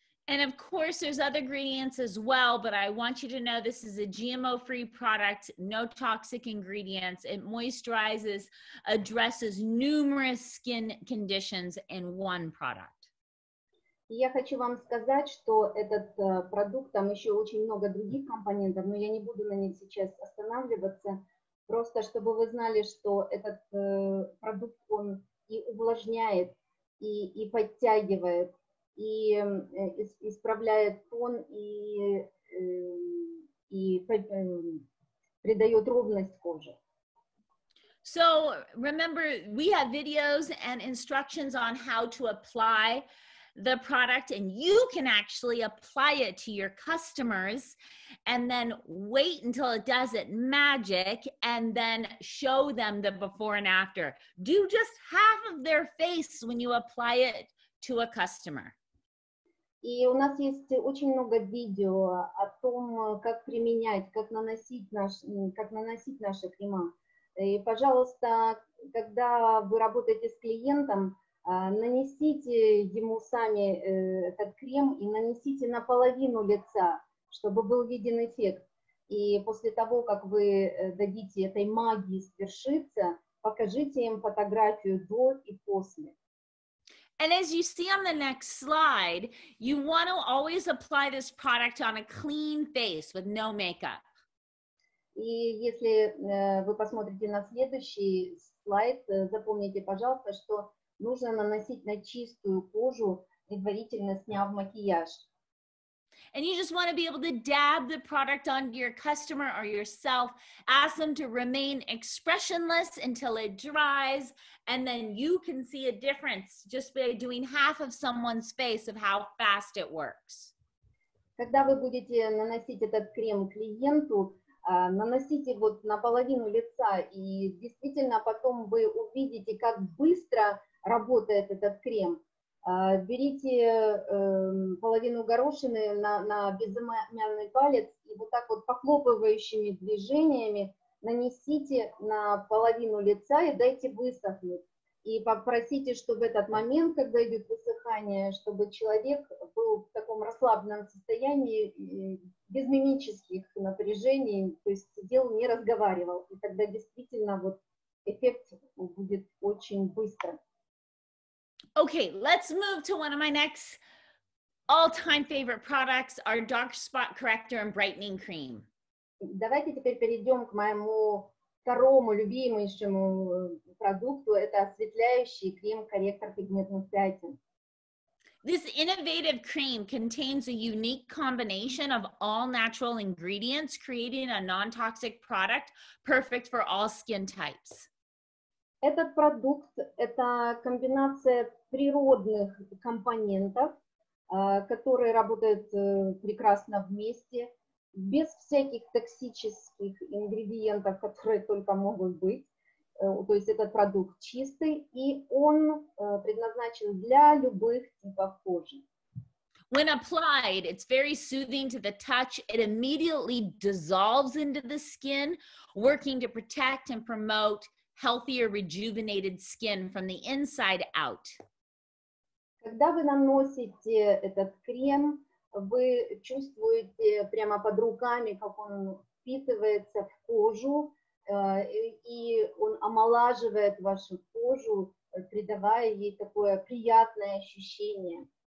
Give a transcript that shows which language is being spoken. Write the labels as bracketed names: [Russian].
[English] And of course, there's other ingredients as well, but I want you to know this is a GMO-free product, no toxic ingredients. It moisturizes, addresses numerous skin conditions in one product. [Russian] Я хочу вам сказать, что этот продукт, там еще очень много других компонентов, но я не буду на них сейчас останавливаться. Просто чтобы вы знали, что этот продукт, он и увлажняет, и подтягивает, и исправляет тон, и придает ровность коже. [English] So remember, we have videos and instructions on how to apply the product, and you can actually apply it to your customers and then wait until it does it magic and then show them the before and after. Do just half of their face when you apply it to a customer. [Russian] И у нас есть очень много видео о том, как применять, как наносить наши крема. И, пожалуйста, когда вы работаете с клиентом, нанесите ему сами этот крем и нанесите на половину лица, чтобы был виден эффект. И после того, как вы дадите этой магии свершиться, покажите им фотографию до и после. [English] And as you see on the next slide, you want to always apply this product on a clean face with no makeup. [Russian] И если вы посмотрите на следующий слайд, запомните, пожалуйста, что нужно наносить на чистую кожу, предварительно сняв макияж. [English] And you just want to be able to dab the product on your customer or yourself, ask them to remain expressionless until it dries, and then you can see a difference just by doing half of someone's face of how fast it works. [Russian] Когда вы будете наносить этот крем клиенту, наносите вот на половину лица, и действительно потом вы увидите, как быстро работает этот крем. Берите половину горошины на безымянный палец и вот так вот похлопывающими движениями нанесите на половину лица и дайте высохнуть. И попросите, чтобы этот момент, когда идет высыхание, чтобы человек был в таком расслабленном состоянии, без мимических напряжений, то есть сидел, не разговаривал. И тогда действительно вот эффект будет очень быстрым. [English] Okay, let's move to one of my next all-time favorite products, our dark spot corrector and brightening cream. [Russian] Давайте теперь перейдем к моему второму любимейшему продукту. Это осветляющий крем-корректор пигментных пятен. [English] This innovative cream contains a unique combination of all natural ingredients, creating a non-toxic product perfect for all skin types. [Russian] Этот продукт – это комбинация природных компонентов, которые работают прекрасно вместе, без всяких токсических ингредиентов, которые только могут быть. То есть этот продукт чистый, и он предназначен для любых типов кожи. [English] When applied, it's very soothing to the touch. It immediately dissolves into the skin, working to protect and promote healthier, rejuvenated skin from the inside out. [Russian] Когда вы наносите этот крем, вы чувствуете прямо под руками, как он впитывается в кожу, и он омолаживает вашу кожу, придавая ей такое приятное ощущение.